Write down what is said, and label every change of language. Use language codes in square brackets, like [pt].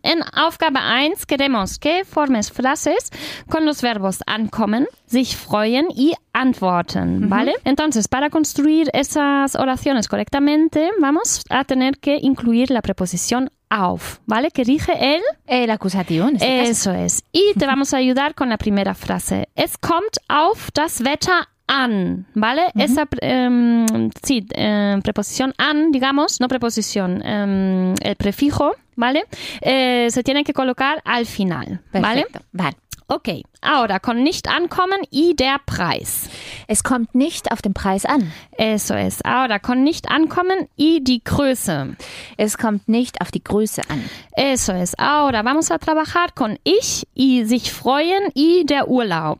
[es] En Aufgabe 1 queremos que formes frases con los verbos ankommen, sich freuen y antworten, ¿vale? Uh-huh. Entonces, para construir esas oraciones correctamente, vamos a tener que incluir la preposición auf, ¿vale? Que dirige el acusativo, en este eso caso. Es. Y te vamos a ayudar con la primera frase. [de] Es kommt auf das Wetter an, ¿vale? Uh-huh. [es] Esa preposición an, digamos, no preposición, el prefijo, ¿vale? Se tiene que colocar al final, ¿vale? Perfecto, vale. Okay, ahora con nicht ankommen y der Preis. [de] Es kommt nicht auf den Preis an. [es] Eso es. Ahora con nicht ankommen y die Größe. [de] Es kommt nicht auf die Größe an. [es] Eso es. Ahora vamos a trabajar con ich y sich freuen y der Urlaub.